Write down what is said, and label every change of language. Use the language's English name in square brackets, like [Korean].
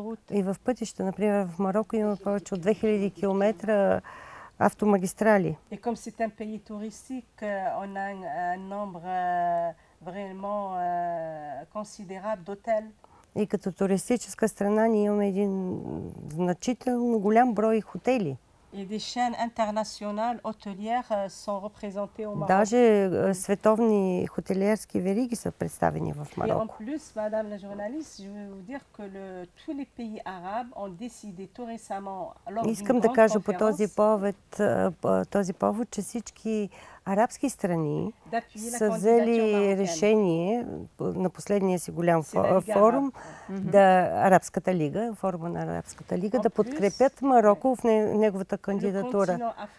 [Bulgarian] И в пътища, например, в Мароко има повече от 2000 км автомагистрали. [French] И как си тен пей туристик, он е номбра vraiment considérable d'hôtel. [Bulgarian] И като туристическа страна ние имаме един значително голям брой хотели. [French] Et des chaînes internationales hôtelières sont représentées au Maroc. [Bulgarian] Даже световни хотелиерски вериги са представени в Мароко. [French] Et en plus, madame la journaliste, je veux vous dire que tous les pays arabes ont décidé tout récemment lors d'une grande conférence. [Bulgarian] Искам да кажа по този повод, че всички арабски страни са взели решение на последния си голям форум, Арабската лига, форума на Арабската лига, да подкрепят Мароко в неговата кандидатура.